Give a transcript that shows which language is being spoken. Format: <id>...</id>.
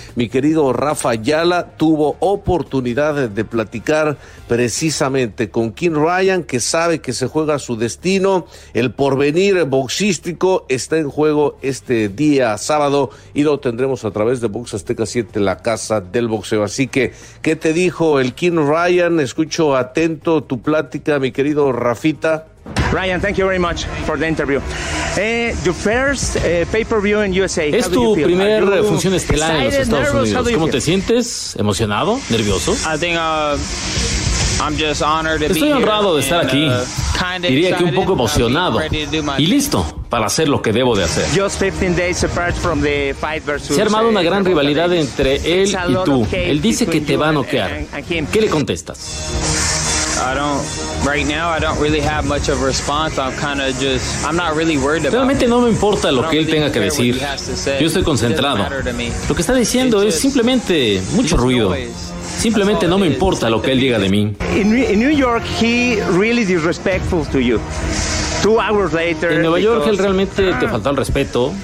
<es>Mi querido Rafa Ayala tuvo oportunidad de platicar precisamente con King Ryan, que sabe que se juega su destino. El porvenir boxístico está en juego este día sábado y lo tendremos a través de Box Azteca 7, la casa del boxeo. Así que, ¿qué te dijo el King Ryan? Escucho atento tu plática, mi querido Rafita.</es> <en>Ryan, thank you very much for the interview. Your first pay-per-view in USA.</en> <es>Es tu primer función estelar en los Estados Unidos. ¿Cómo te sientes? ¿Emocionado? ¿Nervioso?</es> <en>I think I'm just honored to be here.</en> <es>Estoy honrado de estar aquí. Diría que un poco emocionado y listo para hacer lo que debo de hacer. Se ha armado una gran rivalidad entre él y tú. Él dice que te va a noquear. ¿Qué le contestas? Realmente no me importa lo que él tenga que decir. Yo estoy concentrado. Lo que está diciendo es simplemente mucho ruido. Simplemente no me importa lo que él diga de mí.</es> <en>En New York, he really disrespectful to you. 2 hours later.</en> <es>En Nueva York, él realmente te faltó el respeto.</es>